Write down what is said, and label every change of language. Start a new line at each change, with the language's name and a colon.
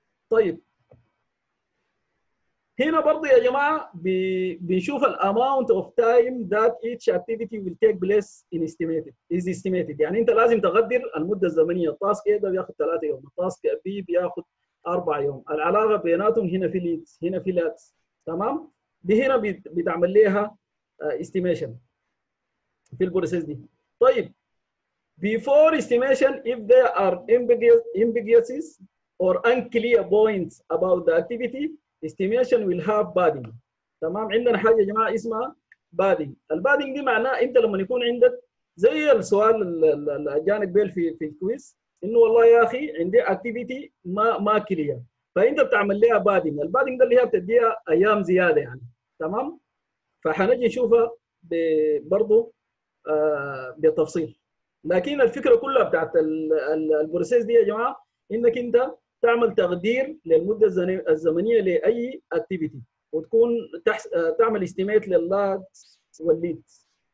Arabic: طيب هنا برضه يا جماعه بنشوف الاماونت اوف تايم ذات ايتش اكتيفيتي ويل تيك بليس ان استيميتد، يعني انت لازم تقدر المده الزمنيه. التاسك A ده بياخذ 3 يوم، التاسك B بياخذ 4 يوم، العلاقه بيناتهم هنا في ليدز هنا في لاتس. تمام، دي هنا بتعمل ليها استيميشن في البروسيس دي.
English: طيب before estimation if there are ambiguities or unclear points about the activity estimation will have padding.
Arabic: تمام، عندنا حاجه يا جماعه اسمها padding. البادنج دي معناه انت لما يكون عندك زي السؤال الجانب بيل في الكويز انه والله يا اخي عندي اكتيفيتي ما كليير، فانت بتعمل لها بادنج. البادنج ده اللي هي بتديها ايام زياده يعني. تمام، فحنجي نشوفها برضه بالتفصيل، لكن الفكره كلها بتاعت البروسيس دي يا جماعه انك انت تعمل تقدير للمده الزمنيه لاي اكتيفيتي، وتكون تعمل استيميت لللاكس والليدز.